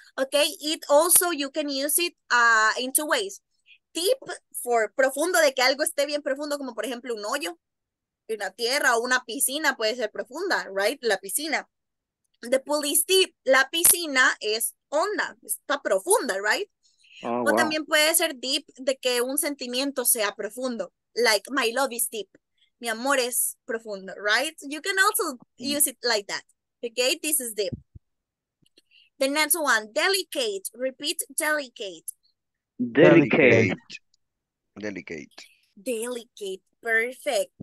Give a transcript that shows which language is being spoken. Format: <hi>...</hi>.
<en>Okay, it also, you can use it in two ways.</en> <es>Deep for profundo, de que algo esté bien profundo, como por ejemplo un hoyo en la tierra o una piscina puede ser profunda, right? La piscina.</es> <en>The pool is deep.</en> <es>La piscina es honda, está profunda, right? Oh, o wow. También puede ser deep de que un sentimiento sea profundo.</es> <en>Like, my love is deep.</en> <es>Mi amor es profundo,</es> <en>right? You can also use it like that. The gate, this is deep. The next one, delicate. Repeat, delicate. Delicate. Delicate. Delicate. Perfect.</en>